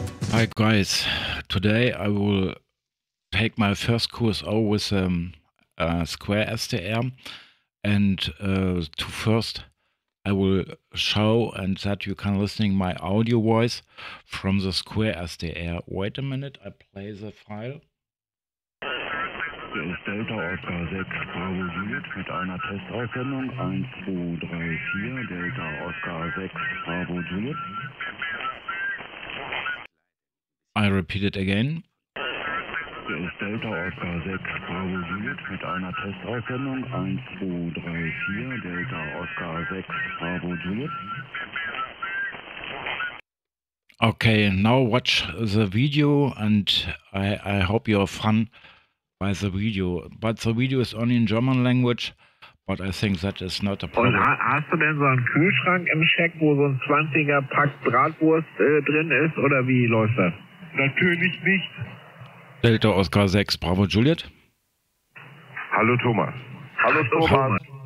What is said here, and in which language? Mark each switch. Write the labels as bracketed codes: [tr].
[en] Alright guys, today I will take my first QSO with a Square SDR, and to first I will show and that you can listening my audio voice from the Square SDR. Wait a minute, I play the file. [de] Das ist Delta Oscar 6 Bravo Juliet mit einer Testauserkennung 1, 2, 3, 4, Delta Oscar 6 Bravo Juliet. [en] I repeat it again. [de] Das ist Delta Oscar 6 Bravo Juliet mit einer Testauserkennung 1, 2, 3, 4, Delta Oscar 6 Bravo Juliet. [en] Okay, now watch the video and I hope you have fun. By the video, but the video is only in German language, but I think that is not a problem. [de] Und hast du denn so einen Kühlschrank im Scheck, wo so ein 20er Pack Bratwurst drin ist, oder wie läuft das? Natürlich nicht. Delta Oscar 6, Bravo Juliet. Hallo Thomas. Hallo Thomas.